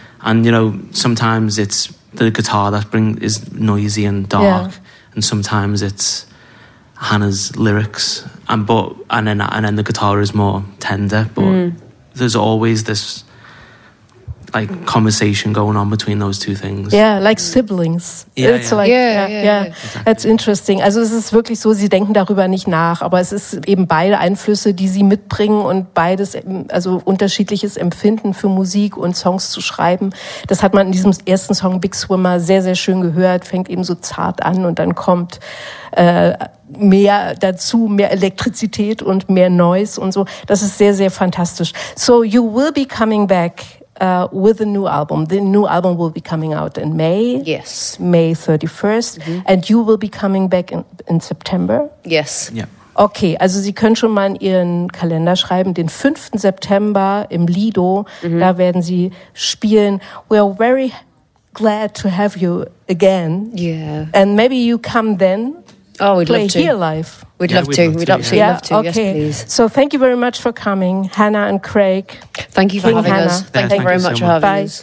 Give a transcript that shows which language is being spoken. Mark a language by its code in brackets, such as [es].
[en] And you know, sometimes it's the guitar that is noisy and dark, and sometimes it's Hannah's lyrics. And then the guitar is more tender. But there's always this like conversation going on between those two things. Yeah, like siblings. Yeah. That's interesting. [de] Also es ist wirklich so, sie denken darüber nicht nach, aber es ist eben beide Einflüsse, die sie mitbringen und beides, also unterschiedliches Empfinden für Musik und Songs zu schreiben. Das hat man in diesem ersten Song Big Swimmer sehr, sehr schön gehört, fängt eben so zart an und dann kommt mehr dazu, mehr Elektrizität und mehr Noise und so. Das ist sehr, sehr fantastisch. [en] So you will be coming back with a new album. The new album will be coming out in May. Yes. May 31st. Mm-hmm. And you will be coming back in September. Yes. Yeah. [de] Okay, also Sie können schon mal in Ihren Kalender schreiben, den 5. September im Lido, da werden Sie spielen. [en] We are very glad to have you again. Yeah. And maybe you come then. Oh, we'd play love to. Here live. We'd love to. We'd absolutely love to. Okay. Yes, please. So thank you very much for coming, Hannah and Craig. Thank you for having us. Thank you very much for having us.